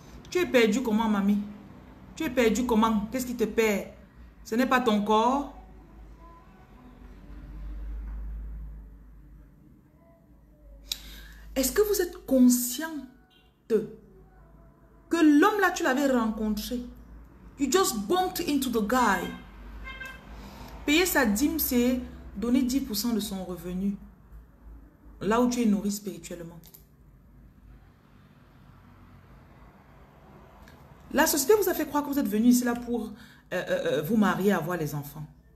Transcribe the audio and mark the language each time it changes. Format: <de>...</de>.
<fr>Tu es perdu comment, mamie? Tu es perdu comment? Qu'est-ce qui te perd? Ce n'est pas ton corps? Est-ce que vous êtes conscient de... Que l'homme là, tu l'avais rencontré.</fr> <en>You just bumped into the guy.</en> <fr>Payer sa dîme, c'est donner 10% de son revenu. Là où tu es nourri spirituellement. La société vous a fait croire que vous êtes venu ici là pour vous marier, avoir les enfants.</fr>